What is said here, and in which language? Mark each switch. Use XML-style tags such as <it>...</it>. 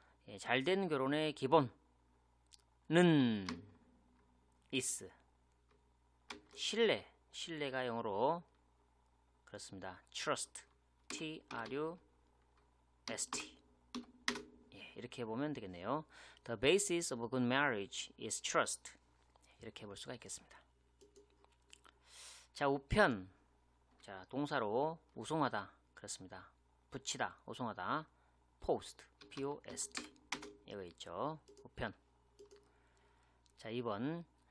<ko>예, 잘된 결혼의 기본은 is 신뢰, 신뢰가 영어로 그렇습니다.</ko> <en>trust, T-R-U-S-T.</en> <ko>예, 이렇게 보면 되겠네요.</ko> <en>The basis of a good marriage is trust.</en> <ko>이렇게 볼 수가 있겠습니다. 자, 우편. 자, 동사로 우송하다. 그렇습니다. 붙이다. 우송하다. post. P-O-S-T. 이거 있죠. 우편. 자, 2번.</ko>